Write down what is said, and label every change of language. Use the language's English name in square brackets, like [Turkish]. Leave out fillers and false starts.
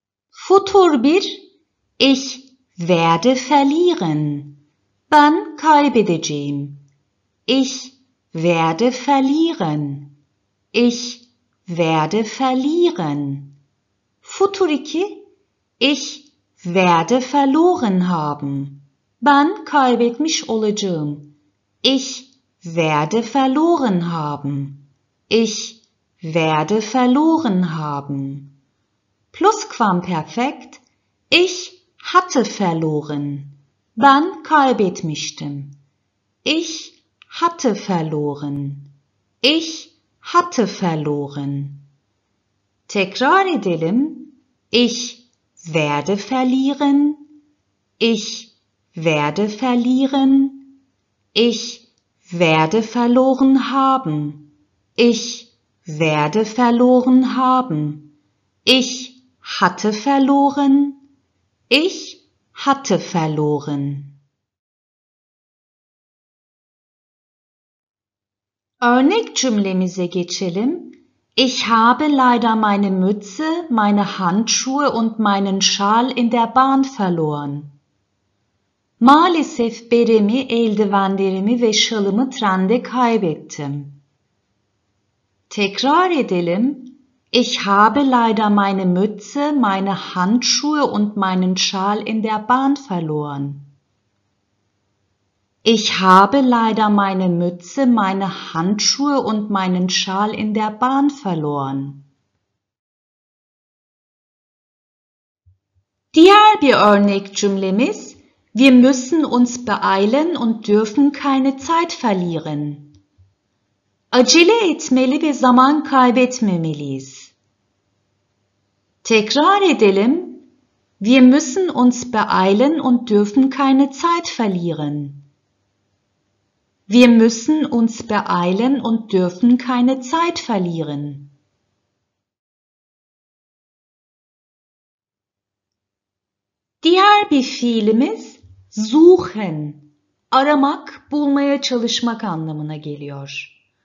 [German] Futur bir. Ich werde verlieren. [Turkish] Ben kaybedeceğim. [German] Ich werde verlieren. Ich werde verlieren. Futur 2. Ich werde verloren haben. [Turkish] Ben kaybetmiş olacağım. [German] Ich werde verloren haben. Ich werde verloren haben. Plusquamperfekt. Ich hatte verloren. [Turkish] Ben kaybetmiştim. [German] Ich hatte verloren. Ich hatte verloren. [Turkish] Tekrar edelim. [German] Ich werde verlieren. Ich werde verlieren. Ich werde verloren haben. Ich werde verloren haben. Ich hatte verloren. Ich hatte verloren. [Turkish] Örnek cümlemize geçelim. [German] Ich habe leider meine Mütze, meine Handschuhe und meinen Schal in der Bahn verloren. [Turkish] Maalesef beremi, eldivenlerimi ve şalımı trende kaybettim. Tekrar edelim. [German] Ich habe leider meine Mütze, meine Handschuhe und meinen Schal in der Bahn verloren. Ich habe leider meine Mütze, meine Handschuhe und meinen Schal in der Bahn verloren. [Turkish] Diğer bir örnek cümlemiz, [German] wir müssen uns beeilen und dürfen keine Zeit verlieren. [Turkish] Acele etmeli ve zaman kaybetmemeliyiz. Tekrar edelim. [German] Wir müssen uns beeilen und dürfen keine Zeit verlieren. Wir müssen uns beeilen und dürfen keine Zeit verlieren. [Turkish] Diğer bir fiilimiz suchen, aramak, bulmaya çalışmak anlamına geliyor.